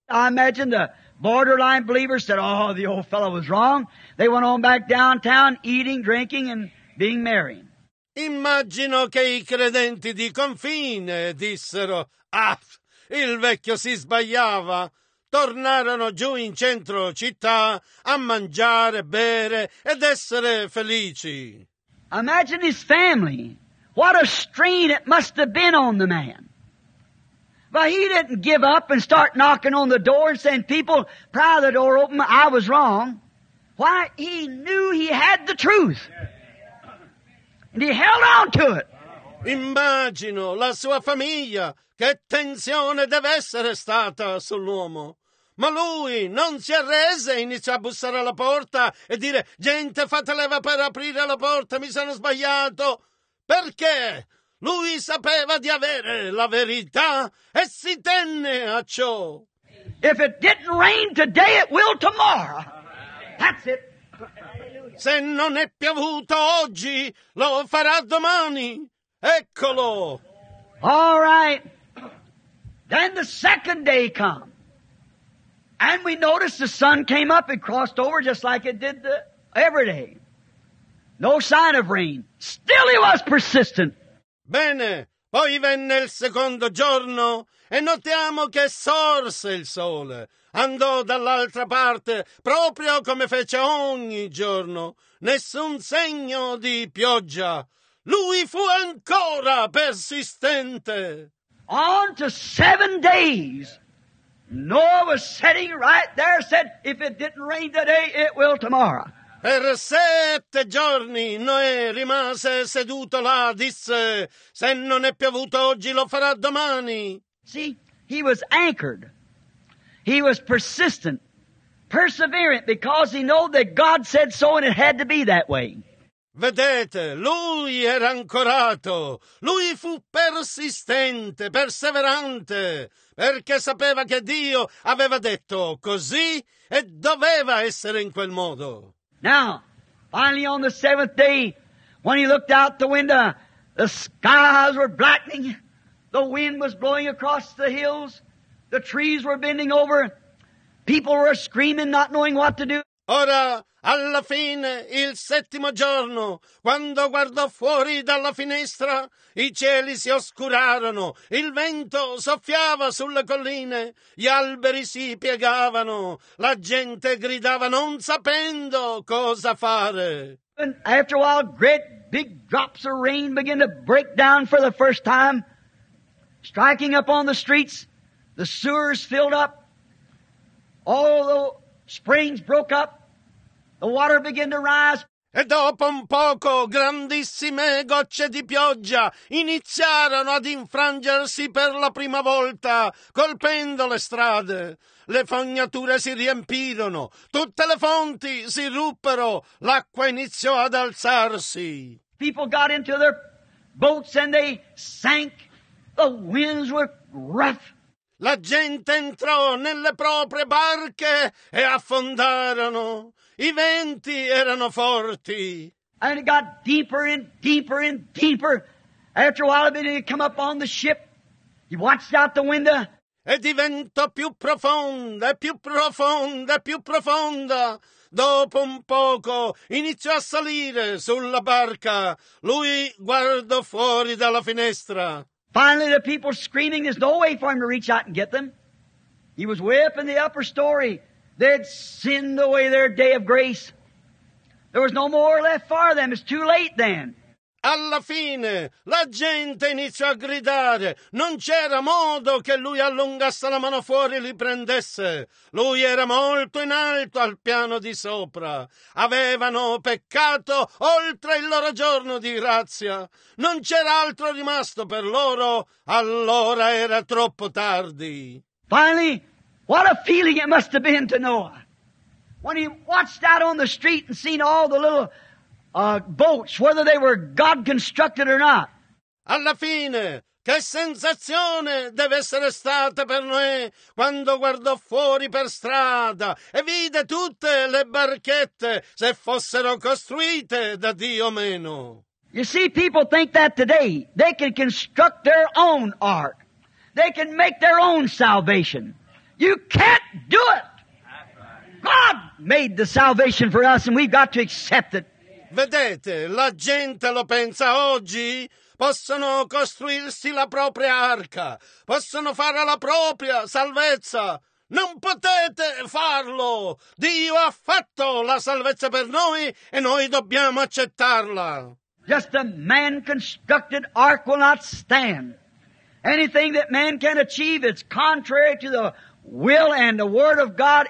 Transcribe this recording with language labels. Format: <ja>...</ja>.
<en>I imagine the borderline believers said, oh, the old fellow was wrong. They went on back downtown eating, drinking and being merry.</en> <it>Immagino che i credenti di confine dissero, ah, il vecchio si sbagliava. Tornarono giù in centro città a mangiare, bere ed essere felici.</it> <en>Imagine his family. What a strain it must have been on the man. But he didn't give up and start knocking on the door and saying, people, pry the door open, I was wrong. Why, he knew he had the truth. And he held on to it.</en> <it>Immagino la sua famiglia, che tensione deve essere stata sull'uomo. Ma lui non si arrese e iniziò a bussare alla porta e dire, gente, fate leva per aprire la porta, mi sono sbagliato. Perché? Lui sapeva di avere la verità e si tenne a ciò.</it> <en>If it didn't rain today, it will tomorrow. That's it.</en> <it>Se non è piovuto oggi, lo farà domani. Eccolo.</it> <en>All right. Then the second day come. And we noticed the sun came up and crossed over just like it did the every day. No sign of rain. Still he was persistent.</en> <it>Bene, poi venne il secondo giorno e notiamo che sorse il sole. Andò dall'altra parte, proprio come fece ogni giorno. Nessun segno di pioggia. Lui fu ancora persistente.</it> <en>On to 7 days. Noah was sitting right there, said, if it didn't rain today, it will tomorrow.</en> <it>Per 7 giorni Noè rimase seduto là, disse, se non è piovuto oggi, lo farà domani.</it> <en>See, he was anchored. He was persistent, perseverant, because he knew that God said so and it had to be that way.</en> <it>Vedete, lui era ancorato. Lui fu persistente, perseverante, perché sapeva che Dio aveva detto così e doveva essere in quel modo.</it> <en>Now, finally on the 7th day, when he looked out the window, the skies were blackening, the wind was blowing across the hills, the trees were bending over, people were screaming, not knowing what to do.</en> <it>Ora, alla fine, il 7º giorno, quando guardò fuori dalla finestra, i cieli si oscurarono, il vento soffiava sulle colline, gli alberi si piegavano, la gente gridava non sapendo cosa fare.</it> <en>And after a while, great big drops of rain began to break down for the first time, striking up on the streets, the sewers filled up, all the springs broke up. The water began to rise.</en> <it>E dopo un poco, grandissime gocce di pioggia iniziarono ad infrangersi per la prima volta, colpendo le strade. Le fognature si riempirono, tutte le fonti si ruppero, l'acqua iniziò ad alzarsi.</it> <en>People got into their boats and they sank. The winds were rough.</en> <it>La gente entrò nelle proprie barche e affondarono. I venti erano forti.</it> <en>And it got deeper and deeper and deeper. After a while, he didn't come up on the ship. He watched out the window.</en> <it>E diventò più profonda, più profonda, più profonda. Dopo un poco, iniziò a salire sulla barca. Lui guardò fuori dalla finestra.</it> <en>Finally, the people screaming, there's no way for him to reach out and get them. He was way up in the upper story. They'd send away their day of grace. There was no more left for them. It's too late then.</en> <it>Alla fine la gente iniziò a gridare. Non c'era modo che lui allungasse la mano fuori e li prendesse. Lui era molto in alto al piano di sopra. Avevano peccato oltre il loro giorno di grazia. Non c'era altro rimasto per loro. Allora era troppo tardi.</it> <en>Finally, what a feeling it must have been to Noah when he watched out on the street and seen all the little boats, whether they were God-constructed or not.</en> <it>Alla fine, che sensazione deve essere stata per Noè quando guardò fuori per strada e vide tutte le barchette, se fossero costruite da Dio o meno.</it> <en>You see, people think that today they can construct their own ark. They can make their own salvation. You can't do it. God made the salvation for us and we've got to accept it.</en> <it>Vedete, la gente lo pensa oggi. Possono costruirsi la propria arca. Possono fare la propria salvezza. Non potete farlo. Dio ha fatto la salvezza per noi e noi dobbiamo accettarla.</it> <en>Just a man-constructed ark will not stand. Anything that man can achieve is contrary to the will and the word of God.</en>